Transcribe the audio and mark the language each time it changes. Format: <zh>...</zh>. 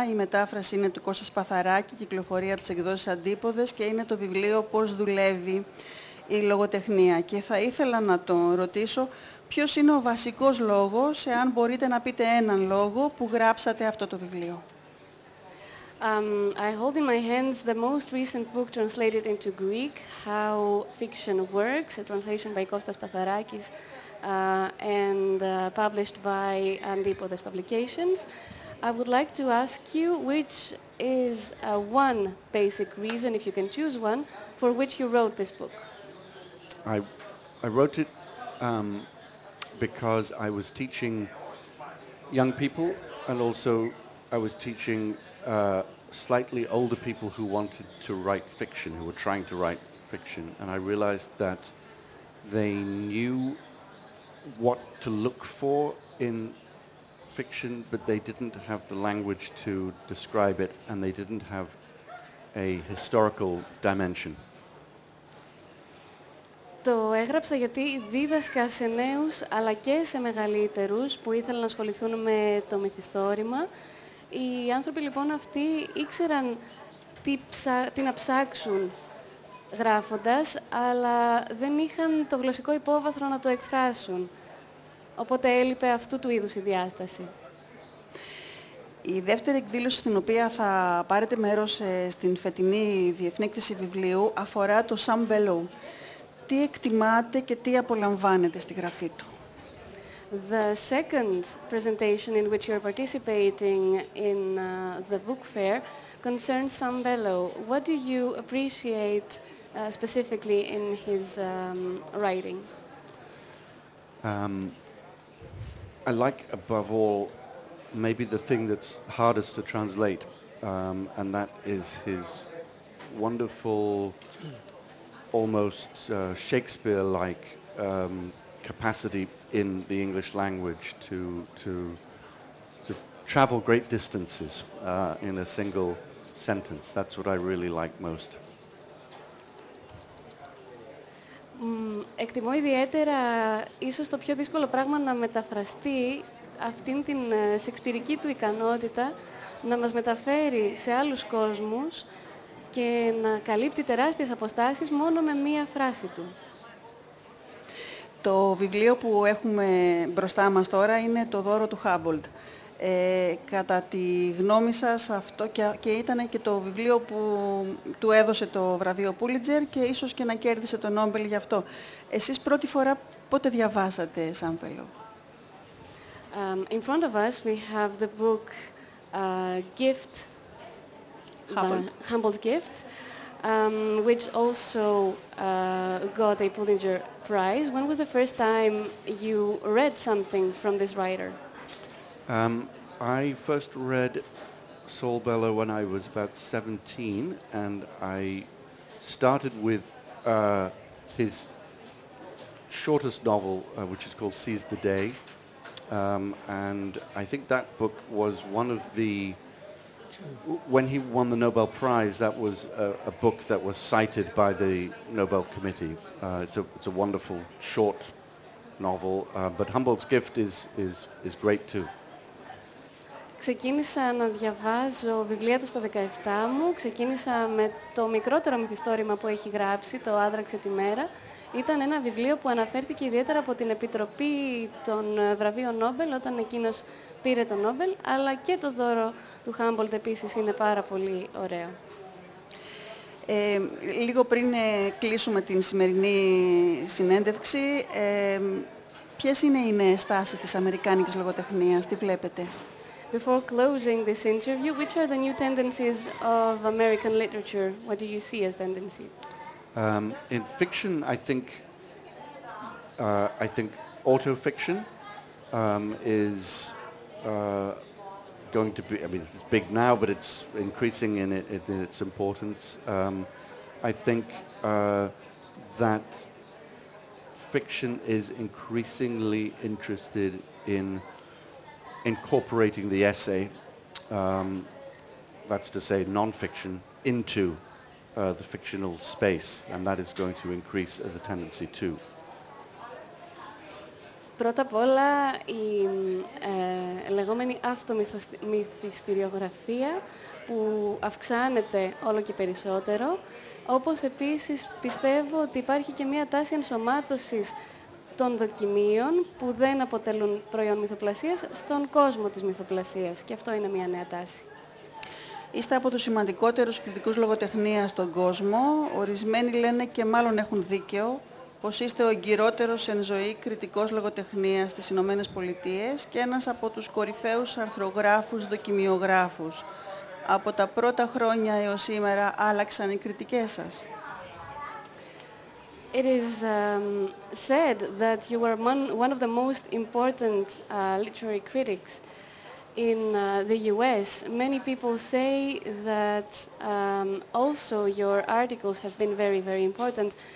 <el>Η μετάφραση είναι του Κώστα Σπαθαράκη, κυκλοφορεί από τις εκδόσεις Αντίποδες, και είναι το βιβλίο «Πώς δουλεύει η λογοτεχνία». Και θα ήθελα να τον ρωτήσω ποιος είναι ο βασικός λόγος, εάν μπορείτε να πείτε έναν λόγο, που γράψατε αυτό το βιβλίο.</el> <en>I hold in my hands the most recent book translated into Greek, How Fiction Works, a translation by Kostas Patharakis, and published by Antipodes Publications. I would like to ask you which is one basic reason, if you can choose one, for which you wrote this book. I wrote it because I was teaching young people, and also I was teaching slightly older people who wanted to write fiction, who were trying to write fiction, and I realized that they knew what to look for in fiction, but they didn't have the language to describe it, and they didn't have a historical dimension.</en> <el>Το έγραψα γιατί δίδασκα σε νέους αλλά και σε μεγαλύτερους που ήθελαν να ασχοληθούν με το μυθιστόρημα. Οι άνθρωποι λοιπόν αυτοί ήξεραν τι να ψάξουν γράφοντας, αλλά δεν είχαν το γλωσσικό υπόβαθρο να το εκφράσουν. Οπότε έλειπε αυτού του είδους η διάσταση. Η δεύτερη εκδήλωση στην οποία θα πάρετε μέρος στην φετινή Διεθνή Έκθεση Βιβλίου αφορά το Sam Bellow. Τι εκτιμάτε και τι απολαμβάνετε στη γραφή του.</el> <en>The second presentation in which you're participating in the book fair concerns Sam Bellow. What do you appreciate specifically in his writing? I like, above all, maybe the thing that's hardest to translate, and that is his wonderful, almost Shakespeare-like capacity in the English language to travel great distances in a single sentence. That's what I really like most.</en> <el>Εκτιμώ ιδιαίτερα ίσως το πιο δύσκολο πράγμα να μεταφραστεί αυτήν την σεξπυρική του ικανότητα να μας μεταφέρει σε άλλους κόσμους και να καλύπτει τεράστιες αποστάσεις μόνο με μία φράση του. Το βιβλίο που έχουμε μπροστά μας τώρα είναι το δώρο του Χάμπολτ. Κατά τη γνώμη σας αυτό και ήταν και το βιβλίο που του έδωσε το βραβείο Πούλιτζερ και ίσως και να κέρδισε το Νόμπελ γι' αυτό. Εσείς πρώτη φορά πότε διαβάσατε Sam Bellow?</el> <en>In front of us we have the book Gift, Humboldt Gift, which also got a Pulitzer Prize. When was the first time you read something from this writer? I first read Saul Bellow when I was about 17, and I started with his shortest novel, which is called Seize the Day. And I think that book was one of the... When he won the Nobel Prize, that was a book that was cited by the Nobel Committee. It's a wonderful short novel, but Humboldt's Gift is great too.</en> <el>Ξεκίνησα να διαβάζω βιβλία του στα 17 μου. Ξεκίνησα με το μικρότερο μυθιστόρημα που έχει γράψει, το «Άδραξε τη μέρα». Ήταν ένα βιβλίο που αναφέρθηκε ιδιαίτερα από την Επιτροπή των Βραβείων Νόμπελ, όταν εκείνος πήρε το Νόμπελ, αλλά και το δώρο του Χάμπολτ επίσης είναι πάρα πολύ ωραίο. Λίγο πριν κλείσουμε την σημερινή συνέντευξη, ποιες είναι οι νέες τάσεις της αμερικάνικης λογοτεχνίας, τι βλέπετε?</el> <en>Before closing this interview, which are the new tendencies of American literature? What do you see as tendencies? In fiction, I think autofiction is going to be, I mean, it's big now, but it's increasing in its importance. I think that fiction is increasingly interested in incorporating the essay, that's to say non-fiction, into the fictional space, and that is going to increase as a tendency too.</en> <el>Πρώτα απ' όλα, η λεγόμενη αυτομυθιστηριογραφία που αυξάνεται όλο και περισσότερο, όπως επίσης πιστεύω ότι υπάρχει και μία τάση ενσωμάτωσης των δοκιμίων που δεν αποτελούν προϊόν μυθοπλασίας στον κόσμο της μυθοπλασίας. Και αυτό είναι μια νέα τάση. Είστε από τους σημαντικότερους κριτικούς λογοτεχνίας στον κόσμο. Ορισμένοι λένε, και μάλλον έχουν δίκαιο, πως είστε ο εγκυρότερος εν ζωή κριτικός λογοτεχνίας στις Ηνωμένες Πολιτείες και ένας από τους κορυφαίους αρθρογράφους δοκιμιογράφους. Από τα πρώτα χρόνια έως σήμερα άλλαξαν οι κριτικές σας.</el> <en>It is said that you were one of the most important literary critics in the US. Many people say that also your articles have been very, very important.</en>